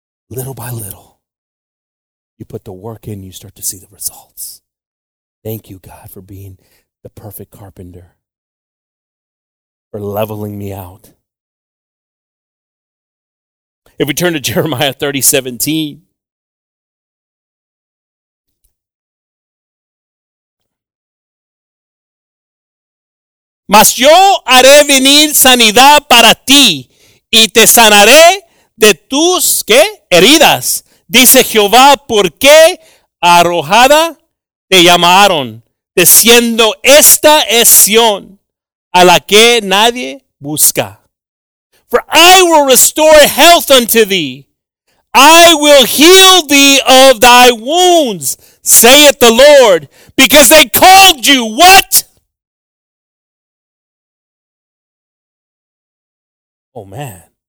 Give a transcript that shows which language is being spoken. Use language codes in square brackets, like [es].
[en] Little by little, you put the work in, you start to see the results. Thank you, God, for being the perfect carpenter, for leveling me out. If we turn to Jeremiah 30:17, [es] mas yo haré venir sanidad para ti y te sanaré de tus ¿qué? Heridas, dice Jehová, porque arrojada te llamaron, diciendo, esta es Sion, a la que nadie busca. [en] For I will restore health unto thee. I will heal thee of thy wounds, saith the Lord, because they called you, what? Oh, man.